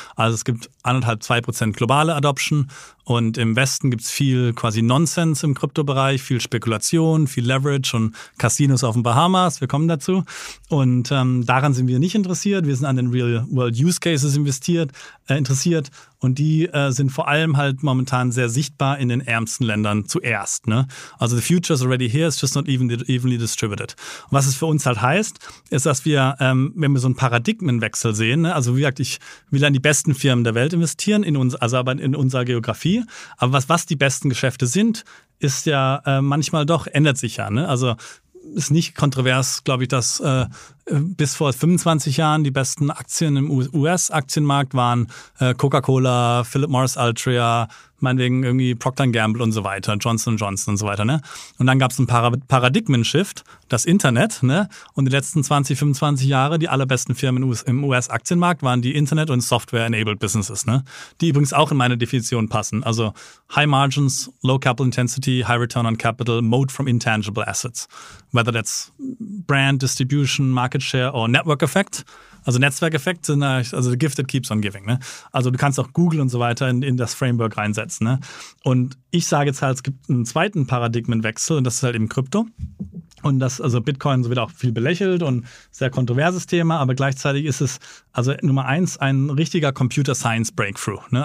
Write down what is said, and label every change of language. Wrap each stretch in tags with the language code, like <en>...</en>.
<de>Also es gibt 1,5-2% globale Adoption. Und im Westen gibt es viel quasi Nonsense im Kryptobereich, viel Spekulation, viel Leverage und Casinos auf den Bahamas. Wir kommen dazu. Und daran sind wir nicht interessiert. Wir sind an den Real-World-Use-Cases interessiert. Und die sind vor allem halt momentan sehr sichtbar in den ärmsten Ländern zuerst. Ne?</de> <en>Also the future is already here, it's just not evenly distributed.</en> <de>Was es für uns halt heißt, ist, dass wir, wenn wir so einen Paradigmenwechsel sehen, ne? Also wie gesagt, ich will an die besten Firmen der Welt investieren, in unserer Geografie. Aber was die besten Geschäfte sind, ist ja manchmal doch, ändert sich ja. Ne? Also ist nicht kontrovers, glaube ich, dass bis vor 25 Jahren die besten Aktien im US-Aktienmarkt waren Coca-Cola, Philip Morris Altria, meinetwegen irgendwie Procter & Gamble und so weiter, Johnson & Johnson und so weiter. Ne? Und dann gab es einen Paradigmen-Shift, das Internet. Ne? Und die letzten 20, 25 Jahre, die allerbesten Firmen im US-Aktienmarkt waren die Internet- und Software-Enabled-Businesses, ne? Die übrigens auch in meine Definition passen.</de> <en>Also High Margins, Low Capital Intensity, High Return on Capital, Moat from Intangible Assets. Whether that's Brand, Distribution, Market Share or Network Effect.</en> <de>Also Netzwerkeffekt sind also</de> <en>the gift that keeps on giving. Ne?</en> <de>Also du kannst auch Google und so weiter in das Framework reinsetzen. Ne? Und ich sage jetzt halt, es gibt einen zweiten Paradigmenwechsel und das ist halt eben Krypto. Und das, also Bitcoin wird auch viel belächelt und sehr kontroverses Thema, aber gleichzeitig ist es, also Nummer eins, ein richtiger Computer Science Breakthrough. Ne?</de>